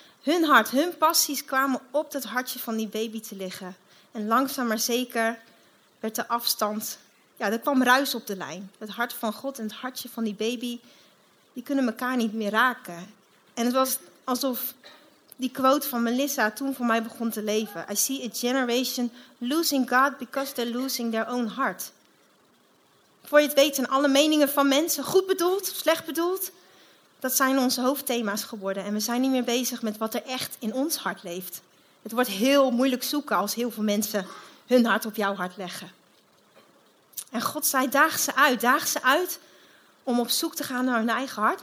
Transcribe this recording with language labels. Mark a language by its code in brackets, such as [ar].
[nl] Hun hart, hun passies kwamen op dat hartje van die baby te liggen. En langzaam maar zeker werd de afstand, ja, er kwam ruis op de lijn. Het hart van God en het hartje van die baby, die kunnen elkaar niet meer raken. En het was alsof die quote van Melissa toen voor mij begon te leven. [en] I see a generation losing God because they're losing their own heart. [nl] Voor je het weet zijn alle meningen van mensen, goed bedoeld of slecht bedoeld, dat zijn onze hoofdthema's geworden. En we zijn niet meer bezig met wat er echt in ons hart leeft. Het wordt heel moeilijk zoeken als heel veel mensen hun hart op jouw hart leggen. En God zei, daag ze uit om op zoek te gaan naar hun eigen hart.